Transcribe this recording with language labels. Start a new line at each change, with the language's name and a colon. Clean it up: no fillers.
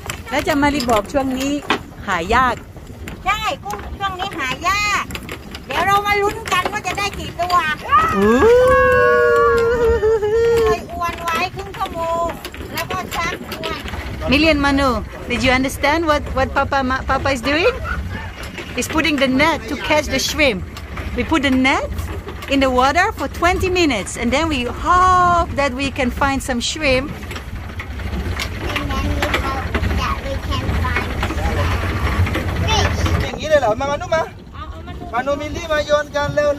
Thai: แล้วจะมาดิบอกช่วงนี้หายาก ใช่กุ้งช่วงนี้หายากเดี๋ยวเรามาลุ้นกันว่าจะได้กี่ตัวเคยอวนไว้ครึ่งชั่วโมงแล้วก็ชักอวน
English: Million Manu, did you understand what Papa is doing? He's putting the net to catch the shrimp. We put the net in the water for 20 minutes and then we hope that we can find some shrimp. And then we hope that we can find fish.
Thai: อย่างนี้เลยเหรอมา Manu มาManu Mili มาโยนกันเร็วๆ